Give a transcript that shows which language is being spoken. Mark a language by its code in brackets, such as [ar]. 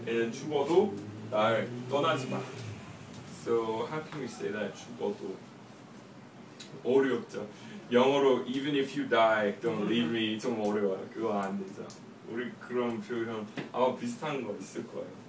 [ko] 얘는 죽어도 날 떠나지 마. [en] So, how can we say that? [ko] 죽어도. 어렵죠? 영어로, [en] even if you die, don't leave me. [ko] 좀 어려워요. 그거 안 되죠. 우리 그런 표현 아마 비슷한 거 있을 거예요.